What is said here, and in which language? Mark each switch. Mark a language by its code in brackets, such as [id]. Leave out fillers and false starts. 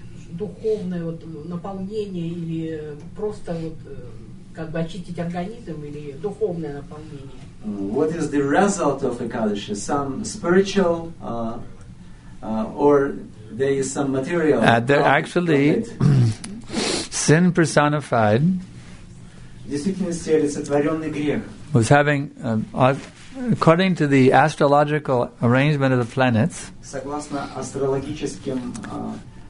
[ru] Духовное вот наполнение или просто вот как бы очистить организм или духовное наполнение. [en] What is the result of Ekadashi? Some spiritual or there is some material? They're actually sin personified. [ru] Действительно, олицетворенный грех. [en] Was having according to the astrological arrangement of the planets. [ru] Согласно астрологическим